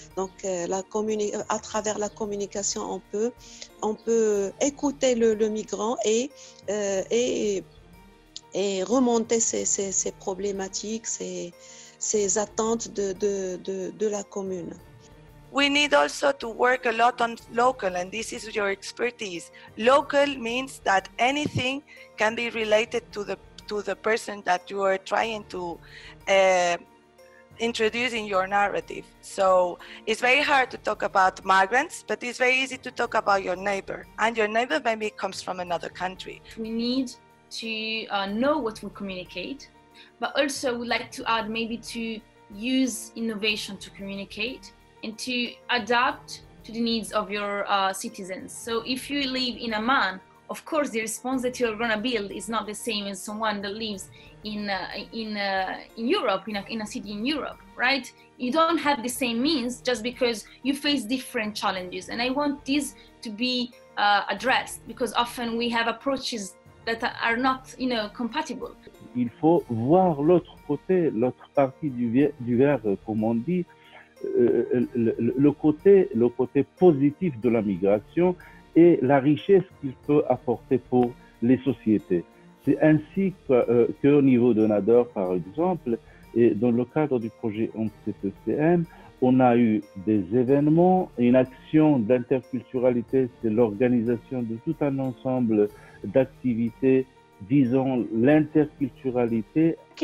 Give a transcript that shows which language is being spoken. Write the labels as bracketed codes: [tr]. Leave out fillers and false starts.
[fr] Donc à travers la communication on peut écouter le migrant et remonter ses problématiques, ses attentes de la commune. [en] We need also to work a lot on local, and this is your expertise. Local means that anything can be related to the person that you are trying to introduce in your narrative. So it's very hard to talk about migrants, but it's very easy to talk about your neighbor, and your neighbor maybe comes from another country. We need to know what we communicate, but also we'd like to add maybe to use innovation to communicate and to adapt to the needs of your citizens. So if you live in Amman, of course the response that you're gonna build is not the same as someone that lives in Europe, in a city in Europe, right? You don't have the same means just because you face different challenges. And I want this to be addressed, because often we have approaches that are not, you know, compatible. [fr] Il faut voir l'autre côté, l'autre partie du verre, comme on dit. Le côté positif de la migration et la richesse qu'il peut apporter pour les sociétés. C'est ainsi qu'au niveau de Nador, par exemple, et dans le cadre du projet MC2CM, on a eu des événements, une action d'interculturalité, c'est l'organisation de tout un ensemble d'activités visant l'interculturalité.